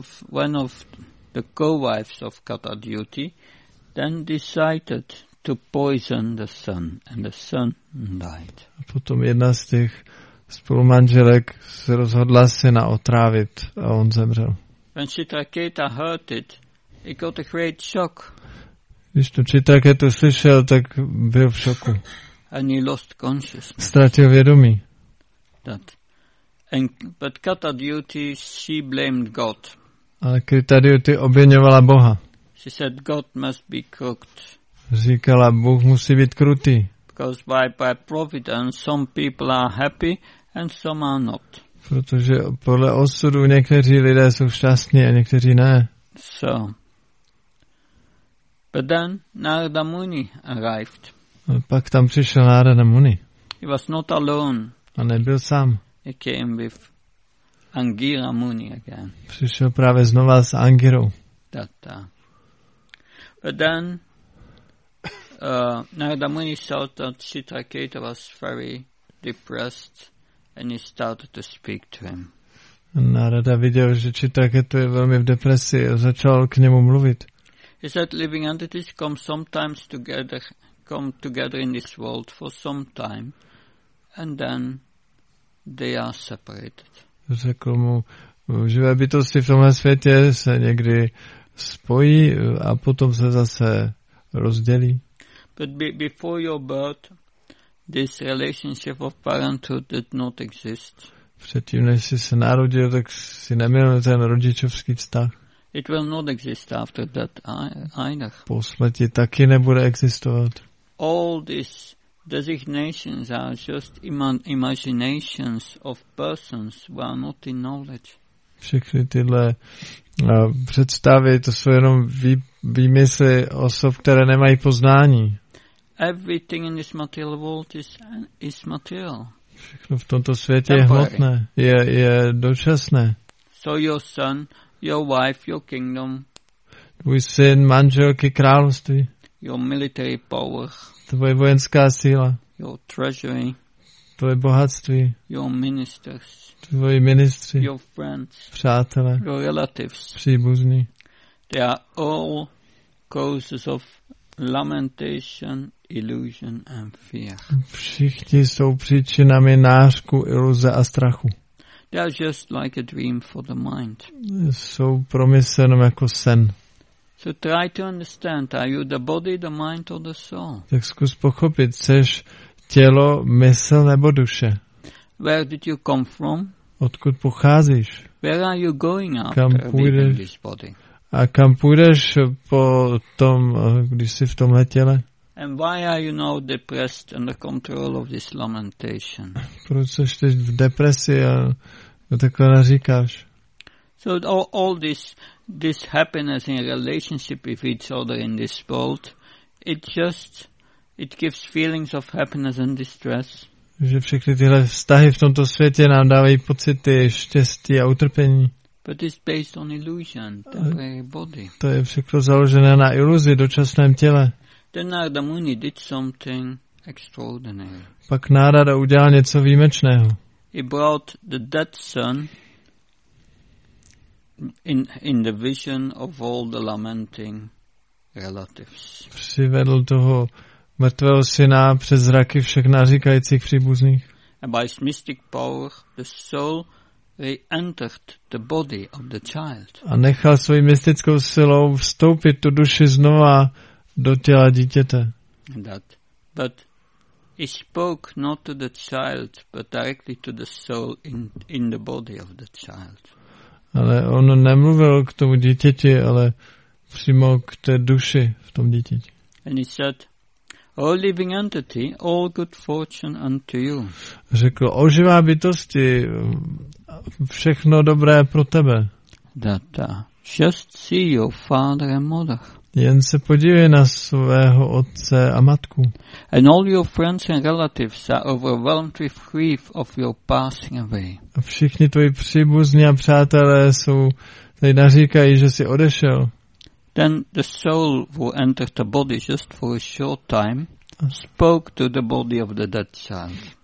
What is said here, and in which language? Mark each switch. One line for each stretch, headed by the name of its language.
English: One of the co-wives of Katadyuti then decided to poison the son, and the son died.
Czech: A potom jedna z těch spolumanželek se rozhodla syna otrávit a on zemřel.
English: When Chitraketa heard it, he got a great shock.
Czech: Když to Chitraketu slyšel, tak byl v šoku.
English: And he lost consciousness.
Czech: Ztratil vědomí.
English: But Katadyuti, she blamed God.
Czech: Ale Katadyuti obviňovala Boha.
English: She said, God must be cooked.
Czech: Říkala, Bůh musí být krutý.
English: because by providence some people are happy and some are not.
Czech: Protože podle osudu někteří lidé jsou šťastní a někteří ne.
English: So. But then Narada Muni arrived.
Czech: A pak tam přišel Narada Muni.
English: He was not alone.
Czech: A nebyl sám.
English: He came with Angira Muni again.
Czech: Přišel právě znova s Angirou. Tata.
English: But then Narada Muni saw that Chitraketa was very depressed and he started to speak to him.
Czech: Narada viděl, že Chitraketa je velmi v depresi a začal k němu mluvit.
English: He said, living entities come sometimes together, come together in this world for some time and then they are separated.
Czech: Řekl mu, živé bytosti v tomhle světě se někdy spojí a potom se zase rozdělí.
English: But before your birth, this relationship of parenthood did not exist.
Czech: Předtím, než jsi se narodil, tak jsi neměl ten rodičovský vztah.
English: It will not exist after that either.
Czech: Po smrti taky nebude existovat.
English: All these designations are just imaginations of persons who are not in knowledge.
Czech: Všechny tyhle představy, to jsou jenom výmysly osob, které nemají poznání.
English: Everything in this material world is material.
Czech: Všechno v tomto světě
English: temporary.
Czech: Je hmotné, je dočasné.
English: So your son, your wife, your kingdom.
Czech: Tvůj syn, manželky, království.
English: Your military power.
Czech: Tvoje vojenská síla.
English: Your treasury.
Czech: Tvoje bohatství.
English: Your ministers.
Czech: Tvoji ministři.
English: Your friends.
Czech: Přátelé.
English: Your relatives.
Czech: Příbuzní.
English: They are all causes of lamentation, illusion and fear.
Czech: Všichni jsou příčinami nářku, iluze a strachu.
English: They are just like a dream for the mind.
Czech: Jsou pro mysl jenom jako sen.
English: So try to understand, are you the body, the mind or the soul?
Czech: Tak zkus pochopit, jseš tělo, mysl nebo duše.
English: Where did you come from?
Czech: Odkud pocházíš?
English: Where are you going after?
Czech: Kam půjdeš?
English: This body?
Czech: A kam půjdeš po tom, když jsi v tomhle těle?
English: And why are you now depressed under control of this lamentation?
Czech: Proč seš teď v depresi a takhle naříkáš?
English: So all this happiness in relationship with each other in this world, it gives feelings of happiness and distress.
Czech: Že všechny tyhle vztahy v tomto světě nám dávají pocity štěstí a utrpení.
English: But it's based on illusion, temporary body.
Czech: To je všechno založené na iluzi, dočasném těle.
English: Then Narada Muni did something extraordinary.
Czech: Pak Narada udělal něco výjimečného.
English: He brought the dead son in the vision of all the lamenting relatives.
Czech: Přivedl toho mrtvého syna přes zraky všech naříkajících příbuzných.
English: And by his mystic power, the soul re-entered the body of the child.
Czech: A nechal svou mystickou silou vstoupit tu duši znova do těla dítěte.
English: That. But he spoke not to the child, but directly to the soul in the body of the child.
Czech: Ale on nemluvil k tomu dítěti, ale přímo k té duši v tom dítěti.
English: And he said, O living entity, all good fortune unto you.
Czech: Řekl, o živá bytosti, všechno dobré pro tebe. Data.
English: Just see your father and mother.
Czech: Jen se podívej na svého otce a matku.
English: And all your friends and relatives are overwhelmed with grief of your passing away.
Czech: A všichni tvoji příbuzní a přátelé jsou, tady naříkají, že jsi odešel.
English: Then the soul who entered the body just for a short time spoke to the body of the dead child.